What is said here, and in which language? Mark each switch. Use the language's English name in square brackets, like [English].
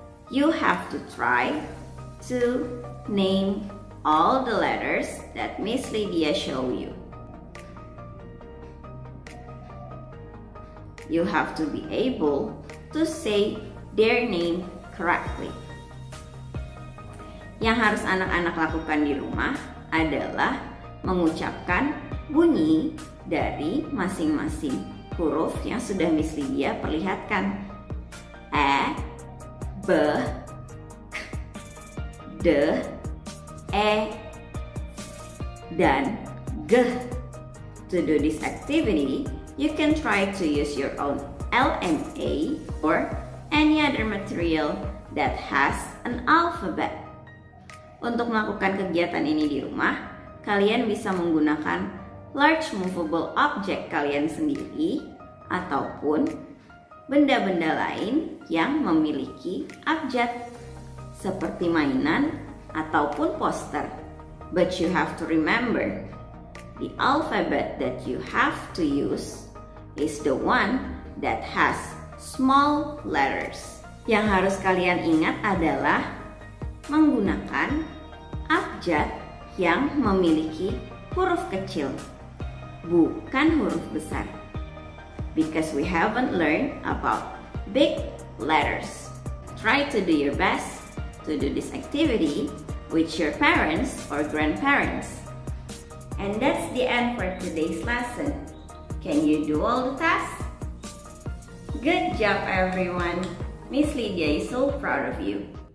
[English] You have to try to name all the letters that Miss Lydia show you. You have to be able to say their name correctly. [Indonesian] Yang harus anak-anak lakukan di rumah adalah mengucapkan bunyi dari masing-masing huruf yang sudah Miss Lydia perlihatkan. E, B, K, D, E, dan G. [English] To do this activity, you can try to use your own LMA or any other material that has an alphabet. [Indonesian] Untuk melakukan kegiatan ini di rumah, kalian bisa menggunakan large movable object kalian sendiri ataupun benda-benda lain yang memiliki abjad seperti mainan ataupun poster. [English] But you have to remember, the alphabet that you have to use is the one that has small letters. [Indonesian] Yang harus kalian ingat adalah menggunakan abjad yang memiliki huruf kecil, bukan huruf besar. [English] Because we haven't learned about big letters. Try to do your best to do this activity with your parents or grandparents. And that's the end for today's lesson. Can you do all the tasks? Good job, everyone! Miss Lydia is so proud of you.